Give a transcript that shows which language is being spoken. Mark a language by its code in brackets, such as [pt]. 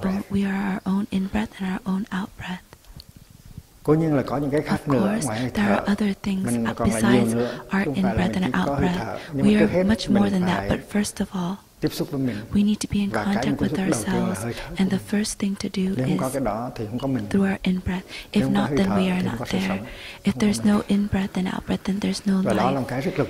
[en] We are our own in-breath and our own out-breath. [vi] Cố nhiên là có những cái khác nữa ngoài hơi thở. [en] There are other things besides our in-breath and our out-breath. We are much more than that, but first of all, [vi] tiếp xúc với mình. [en] We need to be in contact with ourselves. And the first thing to do is through our in-breath. If not, then we are not there. If there's no in-breath and out-breath, then there's no life.